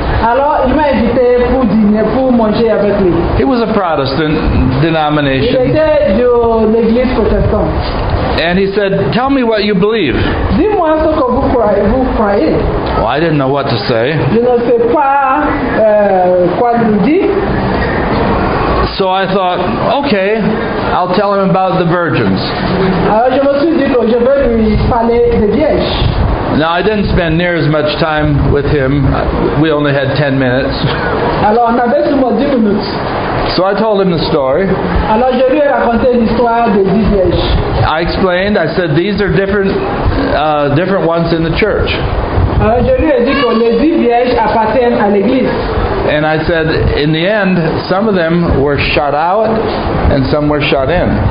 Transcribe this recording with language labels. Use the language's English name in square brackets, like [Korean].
[French] Alors, il m'a invité pour dîner, pour manger avec lui. [English] He was a Protestant denomination. [French] Il était de l'église protestante. [English] And he said, "Tell me what you believe." [French] Dis-moi ce que vous croyez. [English] Well, I didn't know what to say. [French] Je ne sais pas quoi lui dire. [English] So I thought, okay, I'll tell him about the virgins. [French] Je me suis dit que je vais lui parler des vierges. [English] Now, I didn't spend near as much time with him. We only had 10 minutes. [French] Alors, on avait seulement 10 minutes. [English] So I told him the story. [French] Alors, je lui ai raconté l'histoire des vierges. [English] I explained, I said, these are different ones in the church. [French] Alors, je lui ai dit que les 10 vierges appartiennent à l'église. [English] And I said, in the end, some of them were shut out and some were shut in.